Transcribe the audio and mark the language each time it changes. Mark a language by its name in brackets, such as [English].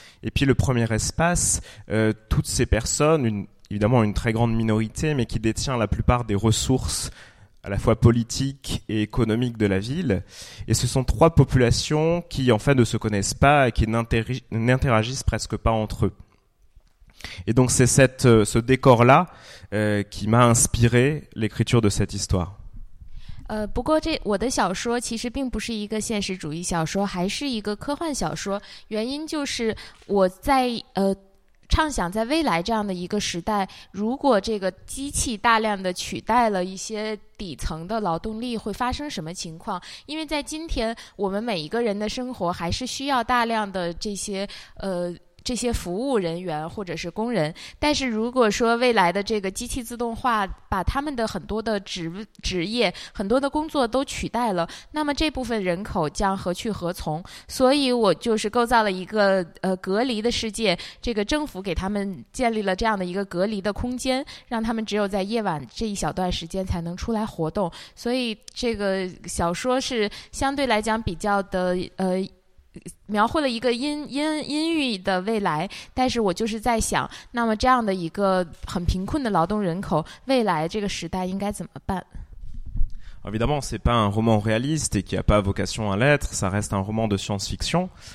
[French] Et puis le premier espace, toutes ces personnes, évidemment une très grande minorité, mais qui détient la plupart des ressources à la fois politiques et économiques de la ville. Et ce sont trois populations qui, en fait, ne se connaissent pas et qui n'interagissent presque pas entre eux. Et donc c'est ce décor-là qui m'a inspiré l'écriture de cette histoire. [Chinese] 不过这我的小说其实并不是一个现实主义小说，还是一个科幻小说。原因就是我在畅想在未来这样的一个时代，如果这个机器大量的取代了一些底层的劳动力，会发生什么情况？因为在今天，我们每一个人的生活还是需要大量的这些服务人员或者是工人，但是如果说未来的这个机器自动化把他们的很多的职业很多的工作都取代了，那么这部分人口将何去何从？所以我就是构造了一个隔离的世界，这个政府给他们建立了这样的一个隔离的空间，让他们只有在夜晚这一小段时间才能出来活动。所以这个小说是相对来讲比较的描绘了一个阴郁的未来，但是我就是在想，那么这样的一个很贫困的劳动人口，未来这个时代应该怎么办？ [French] Évidemment, c'est pas un roman réaliste et qui a pas vocation à l'être, ça reste un roman de science-fiction.